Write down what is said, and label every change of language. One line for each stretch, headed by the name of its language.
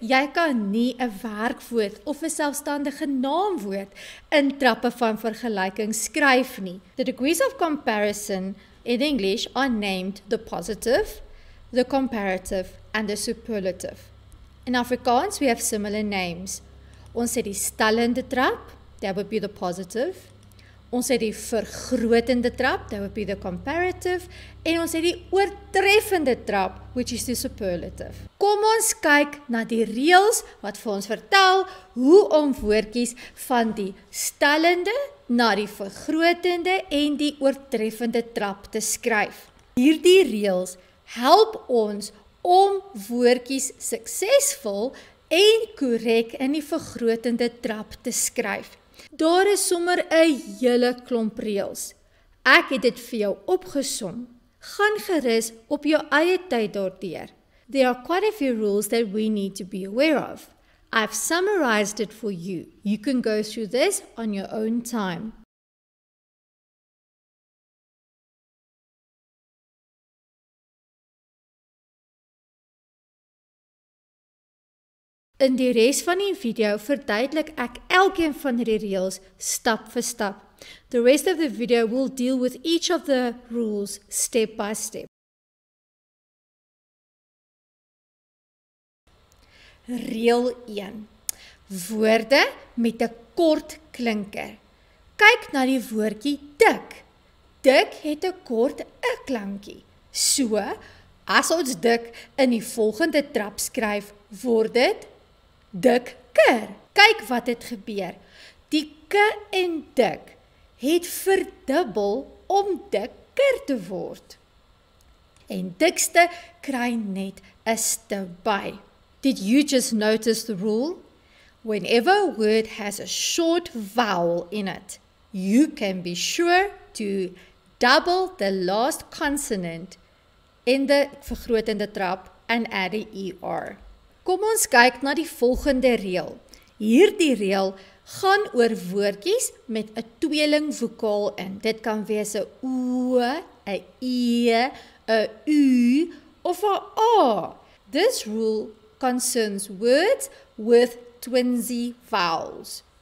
Afrikaans: Jy kan nie 'n werkwoord of 'n selfstandige naamwoord in trappe van vergelyking skryf nie.
English: The degrees of comparison in English are named the positive, the comparative and the superlative. In Afrikaans we have similar names.
Afrikaans: Ons het die stellende trap,
English: that would be the positive.
Afrikaans: Ons het die vergrotende trap,
English: that would be the comparative.
Afrikaans: En ons het die oortreffende trap,
English: which is the superlative.
Afrikaans: Kom ons kyk na die reëls wat vir ons vertel hoe om woordjies van die stellende na die vergrotende en die oortreffende trap te skryf. Hierdie reëls help ons om woordjies suksesvol en korrek in die vergrotende trap te skryf. Daar is sommer 'n hele klomp reëls. Ek het dit vir jou opgesom. Gaan gerus op jou eie tyd daardeur.
English: There are quite a few rules that we need to be aware of. I've summarized it for you. You can go through this on your own time.
Afrikaans: In die res van die video verduidelik ek elkeen van die reëls stap vir stap.
English: The rest of the video will deal with each of the rules step by step.
Afrikaans: Reël 1. Woorde met 'n kort klinker. Kyk na die woordjie dik. Dik het 'n kort klankie. So, as ons dik in die volgende trap skryf, word dit dik kur. Kyk wat het gebeur. Die k en dik het verdubbel om dikker te word. En dikste kry net 'n ste by.
English: Did you just notice the rule? Whenever a word has a short vowel in it, you can be sure to double the last consonant in the vergrotende trap and add the er.
Afrikaans: Kom ons kyk na die volgende reël. Hierdie reël gaan oor woordjies met 'n tweeling vokaal in. Dit kan wees 'n o, 'n e, 'n u of 'n a.
English: This rule concerns words with twinsy vowels.